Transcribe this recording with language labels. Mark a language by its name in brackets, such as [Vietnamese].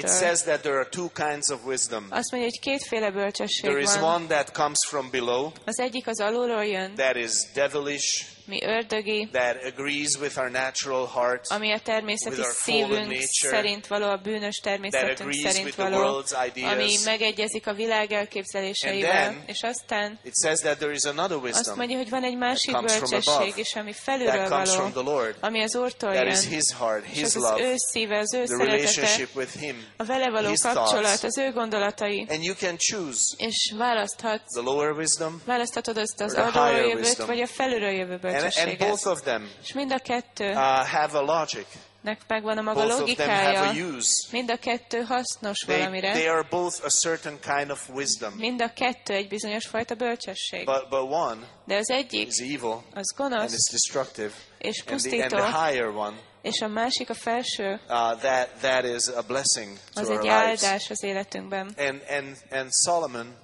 [English] It says that there are two kinds of wisdom. [Hungarian] Azt mondja, hogy kétféle bölcsesség van. [English] There is one that comes from below. [Hungarian] Az egyik az alulról jön. [English] That is devilish. [Hungarian] Mi ördögi. [English] That agrees with our natural heart. [Hungarian] Ami a természeti szívünk szerint való, a bűnös természetünk szerint való. Ami megegyezik a világ elképzeléseivel. És aztán. [English] It says that there is another wisdom. [Hungarian] Azt mondja, hogy van egy másik bölcsesség is, ami felülről [English] that comes from the Lord. [Hungarian] Ami az Úrtól jön. [English] That is His heart, His love. [Hungarian] Ő szíve, az ő [English] the relationship with Him. [Hungarian] A vele való kapcsolat, az ő gondolatai. [English] And you can choose. [Hungarian] És választhatsz. [English] The lower wisdom. [Hungarian] Választhatod azt az alulról jövőt, vagy a felülről jövőt. [English] And both of them have a logic. [Hungarian] Megvan a maga logikája. Mind a kettő hasznos valamire. [English] They are both a certain kind of wisdom. [Hungarian] Mind a kettő egy bizonyos fajta bölcsesség. [English] But one, [Hungarian] de az egyik, [English] is evil, [Hungarian] az gonosz, [English] and it's destructive, [Hungarian] és pusztító. [English] And the higher one, [Hungarian] és a másik, a felső, [English] that is a blessing to [Hungarian] az egy áldás az életünkben. [English] And Solomon,